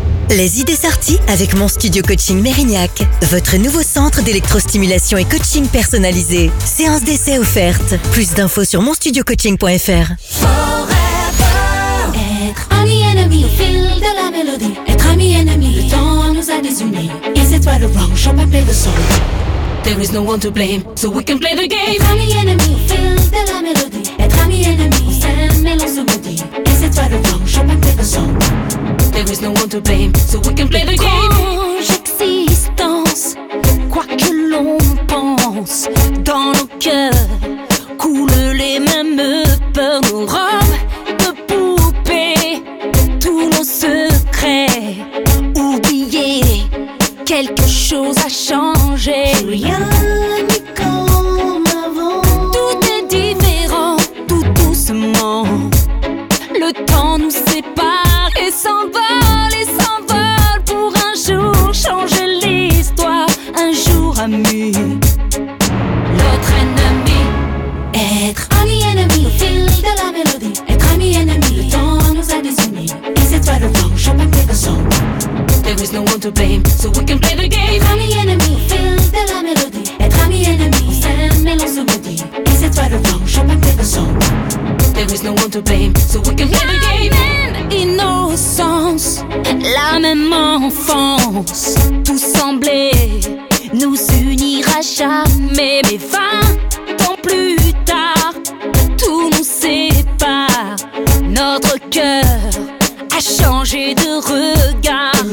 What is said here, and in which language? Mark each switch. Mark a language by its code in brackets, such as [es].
[fr] Les idées sorties avec mon studio coaching Mérignac, votre nouveau centre d'électrostimulation et coaching personnalisé. Séance d'essai offerte. Plus d'infos sur monstudiocoaching.fr. [en] Forever. [fr] Être ami ennemi au fil de la mélodie. Être ami ennemi, le temps nous a désunis. Et c'est toi le roi, on chante à plein de son. [en] There is no one to blame, so we can play the game. [fr] Être ami ennemi au fil de la mélodie. Être ami ennemi, c'est un mélange de goodies. Et c'est toi le roi, on chante à plein de son. [en] There is no one to blame, so we can play the game. [fr] Quand j'existence, quoi que l'on pense, dans nos cœurs coulent les mêmes peurs. Nos robes de poupées, tous nos secrets oubliés. Quelque chose a changé. Rien n'est comme avant. Tout est différent, tout doucement. Le temps nous sépare. Et s'envole pour un jour changer l'histoire. Un jour ami, l'autre ennemi. Être ami ennemi au fil de la mélodie. Être ami ennemi, le temps nous a désunis. Et c'est toi le vent, chante avec le son. [en] There is no one to blame, so we can play the game. [fr] Être ami ennemi au fil de la mélodie. Être ami ennemi, on s'aime et l'on se maudit. Et c'est toi le vent, chante avec le son. [en] There is no one to blame, so we can play the game. [fr] La même innocence, la même enfance. Tout semblait nous unir à jamais. Mais 20 ans plus tard, tout nous sépare. Notre cœur a changé de regard.